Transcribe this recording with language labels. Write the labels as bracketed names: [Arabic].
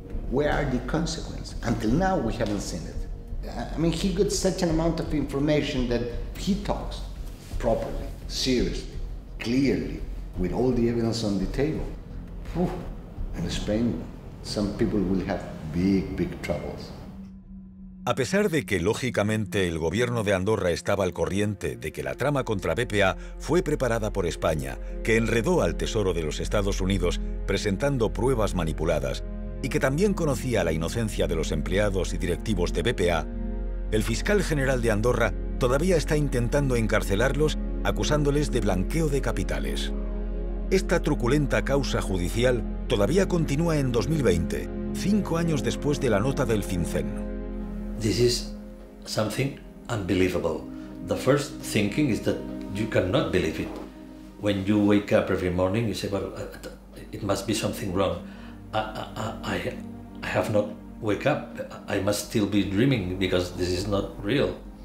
[English] Where are the consequences? Until now, we haven't seen it. I mean, he got such an amount of information that he talks properly, seriously, clearly, with all the evidence on the table. Whew. In Spain, some people will have big, big troubles. [Spanish] A pesar de que, lógicamente, el gobierno de Andorra estaba al corriente de que la trama contra BPA fue preparada por España, que enredó al Tesoro de los Estados Unidos presentando pruebas manipuladas, y que también conocía la inocencia de los empleados y directivos de BPA, el fiscal general de Andorra todavía está intentando encarcelarlos acusándoles de blanqueo de capitales. Esta truculenta causa judicial todavía continúa en 2020, 5 años después de la nota del FinCEN. [English] This is something unbelievable. The first thinking is that you cannot believe it. When you wake up every morning, you say, well, it must be something wrong. I have not wake up. I must still be dreaming because this is not real.